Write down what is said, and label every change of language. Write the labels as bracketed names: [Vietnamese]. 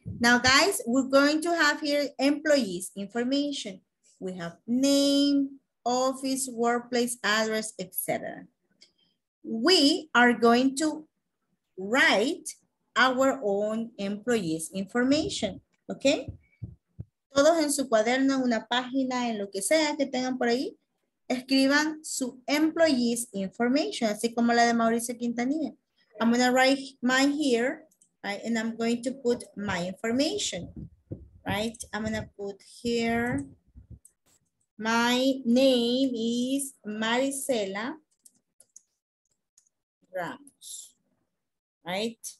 [English] Now, guys, we're going to have here employees information. We have name, office, workplace, address, etc. We are going to write our own employees information, okay? [Spanish] todos en su cuaderno, en una página, en lo que sea que tengan por ahí, escriban su [English] employees information, [Spanish] así como la de Mauricio Quintanilla. [English] I'm going to write my here, right? And I'm going to put my information, right? I'm going to put here, my name is Maricela Ramos, right?